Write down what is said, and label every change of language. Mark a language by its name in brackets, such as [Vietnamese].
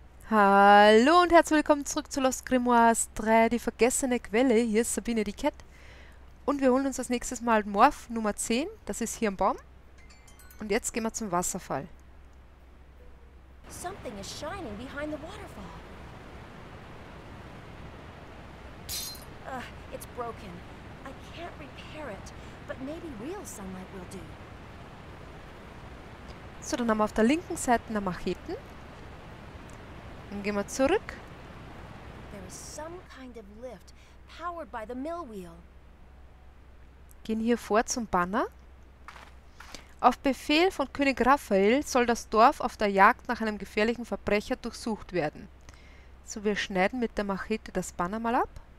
[German] Hallo und herzlich willkommen zurück zu Lost Grimoires 3, die vergessene Quelle. Hier ist Sabine die Cat. Und wir holen uns als nächstes mal Morph Nummer 10. Das ist hier im Baum. Und jetzt gehen wir zum Wasserfall. [English] Something is shining behind the waterfall. It's broken. I can't repair it, but maybe real sunlight will do. [German] So, dann haben wir auf der linken Seite eine Macheten. Dann gehen wir zurück. [English] There is some kind of lift powered by the mill wheel. [German] Gehen hier vor zum Banner. Auf Befehl von König Raphael soll das Dorf auf der Jagd nach einem gefährlichen Verbrecher durchsucht werden. So, wir schneiden mit der Machete das Banner mal ab.